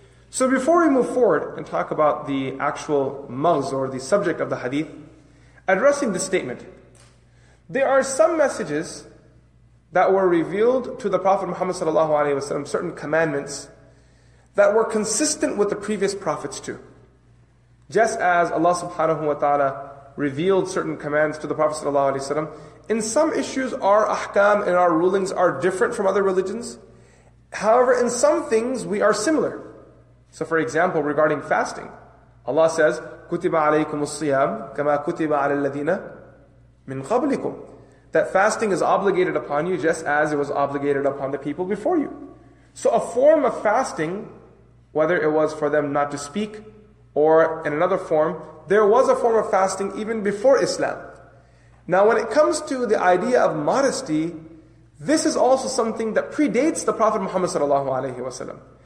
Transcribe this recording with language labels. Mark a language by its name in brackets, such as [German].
[English] So before we move forward and talk about the actual maghz or the subject of the hadith, addressing the statement, there are some messages that were revealed to the Prophet Muhammad sallallahu alaihi wasallam, certain commandments that were consistent with the previous prophets too. Just as Allah subhanahu wa ta'ala revealed certain commands to the Prophet sallallahu alaihi wasallam, In some issues, our ahkam and our rulings are different from other religions. However, in some things, we are similar. So for example, regarding fasting, Allah says, [Arabic] كُتِبَ عَلَيْكُمُ الصِّيَامُ كَمَا كُتِبَ عَلَى الَّذِينَ مِنْ قَبْلِكُمْ. [English] That fasting is obligated upon you just as it was obligated upon the people before you. So a form of fasting, whether it was for them not to speak, or in another form, there was a form of fasting even before Islam. Now when it comes to the idea of modesty, this is also something that predates the Prophet Muhammad sallallahu alaihi wasallam.